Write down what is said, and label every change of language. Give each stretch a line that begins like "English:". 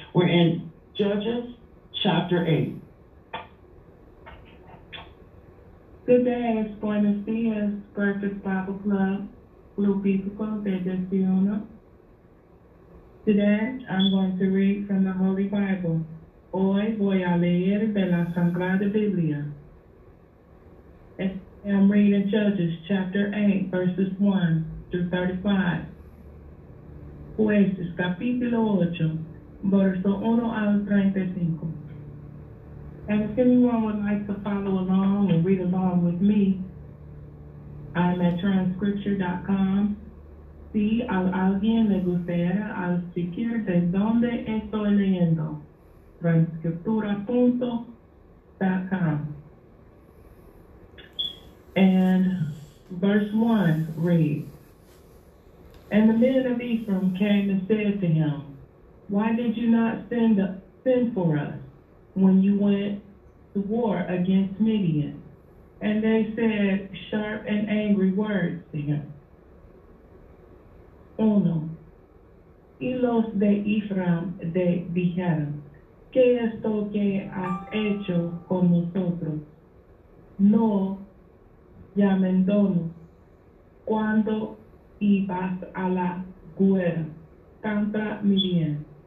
English: We're in Judges chapter 8. Good day, it's Buenos Dias, Breakfast Bible Club, Lupita de Gestiona. Today, I'm going to read from the Holy Bible.
Spanish: Hoy voy a leer de la Sagrada Biblia.
English: I'm reading Judges chapter 8, verses 1 through 35.
Spanish: Jueces, capítulo 8, verso 1 al 35.
English: And if anyone would like to follow along and read along with me, I'm at transcripture.com.
Spanish: Si a alguien le gustaría asistir de donde estoy leyendo, transcriptura.com.
English: And verse 1 reads, and the men of Ephraim came and said to him, why did you not send for us when you went war against Midian? And they said sharp and angry words to him.
Spanish: Uno. Y los de Ephraim de dijeron, ¿qué esto que has hecho con nosotros? No llamándonos cuando ibas a la guerra contra Midian.